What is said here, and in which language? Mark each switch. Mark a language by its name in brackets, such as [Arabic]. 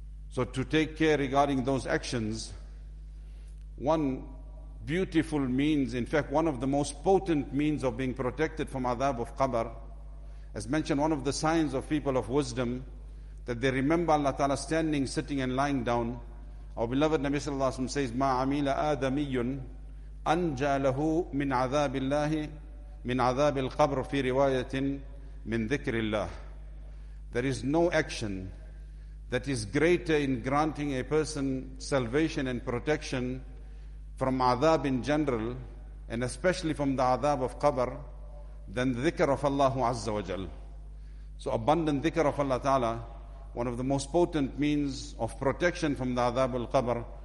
[English] So to take care regarding those actions. One beautiful means, in fact one of the most potent means of being protected from adab of qabr, as mentioned, one of the signs of people of wisdom, that they remember Allah Ta'ala standing, sitting and lying down. [Arabic] Our beloved Nabi sallallahu alayhi wa sallam says, مَا عَمِيلَ آدَمِيٌّ أَنْجَى لَهُ مِنْ عَذَابِ اللَّهِ مِنْ عَذَابِ الْقَبْرُ فِي رِوَايَةٍ min dhikrillah. [English] There is no action that is greater in granting a person salvation and protection from adab in general, and especially from the adab of qabr, than the dhikr of Allah Azza wa Jal. So abundant dhikr of Allah Ta'ala, one of the most potent means of protection from the adab al-qabr.